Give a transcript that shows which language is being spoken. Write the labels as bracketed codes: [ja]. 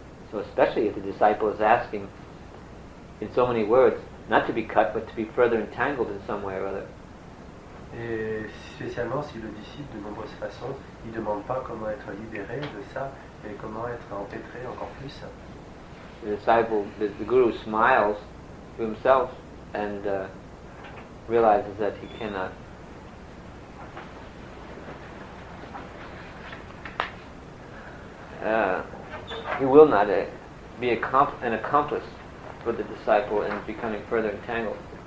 [en] So especially if the disciple is asking in so many words not to be cut but to be further entangled in some way or other. [fr] Et spécialement si le disciple de nombreuses façons il ne demande pas comment être libéré de ça mais comment être empêtré encore plus. [en] The disciple, the guru smiles to himself and realizes that he cannot he will not be an accomplice for the disciple in becoming further entangled.